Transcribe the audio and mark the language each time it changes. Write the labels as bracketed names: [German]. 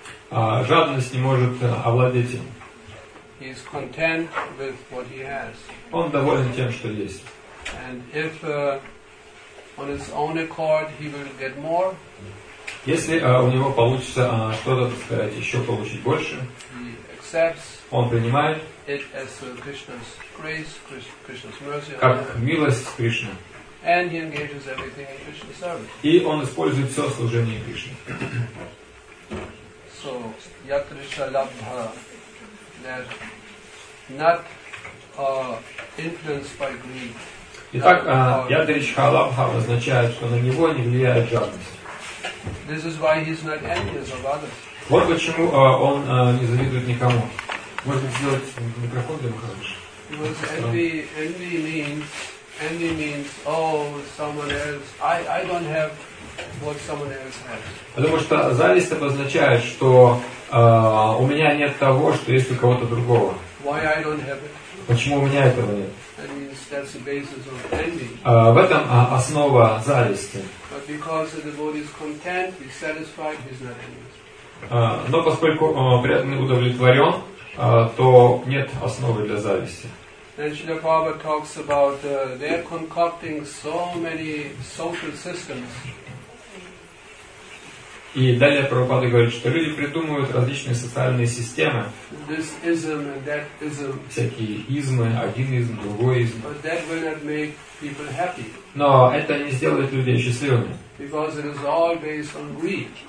[Russian] Жадность не может овладеть им. [English] He is content with what he has. [Russian] Он доволен тем, что есть. [English] And if on his own accord he will get more. [Russian] Если у него получится что-то, так сказать, еще получить больше, [English] he accepts. [Russian] Он принимает. [English] It as Krishna's grace, Krishna's mercy. [Russian] Как милость Кришны. [English] And he engages everything in Krishna's service. [Russian] И он использует все служение Кришне. [English] So yatrisha labha. That not influenced by greed. [Russian] Итак, ядричха лабха означает, что на него не влияет жадность. [English] This is why he's not envious of others. [Russian] Вот почему он не завидует никому. Можно сделать микрофон для Махараджи. [English] Envy means, oh, someone else. I don't have what someone else has. [Russian] Потому что зависть обозначает, что у меня нет того, что есть у кого-то другого. [English] Why I don't have it? [Russian] Почему у меня этого нет? [English] That means that's the basis of envy. [Russian] В этом основа зависти. [English] But because the devotee is content, he's satisfied, he's not envious. [Russian] Но поскольку преданный удовлетворен, то нет основы для зависти. [English] Then Srila Prabhupada talks about they're concocting so many social systems. [Russian] И далее Прабхупада говорит, что люди придумывают различные социальные системы. [English] This ism and that ism. [Russian] Всякие измы, один изм, другой изм. [English] But that will not make people happy. [Russian] Но это не сделает людей счастливыми. [English] Because it is all based on greed.